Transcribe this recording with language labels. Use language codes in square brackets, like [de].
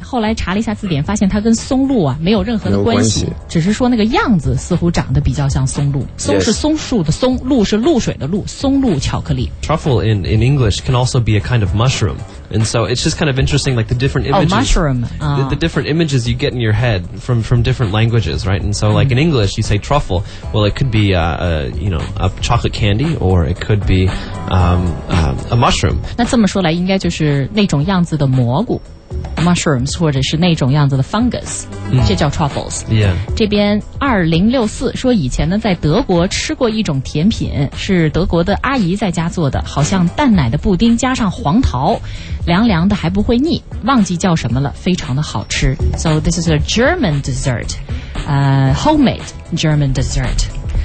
[zh] 后来查了一下字典，发现它跟松露啊没有任何的关系，只是说那个样子似乎长得比较像松露。松是松树的松，露是露水的露，松露巧克力。 [en] Truffle in English can also be a kind of mushroom. And so it's just kind of interesting, like the different images. Oh, mushroom. The different images you get in your head from different languages, right? And so like in English, you say truffle. Well, it could be, you know, a chocolate candy, or it could be a mushroom. [zh] 那这么说来，应该就是那种样子的蘑菇。 Mushrooms, 或者是那种样子的 fungus, 这叫 truffles. [en] Yeah. [zh] 这边2064说以前呢在德国吃过一种甜品，是德国的阿姨在家做的，好像蛋奶的布丁加上黄桃，凉凉的还不会腻，忘记叫什么了，非常的好吃。 [en] So this is a German dessert, homemade German dessert.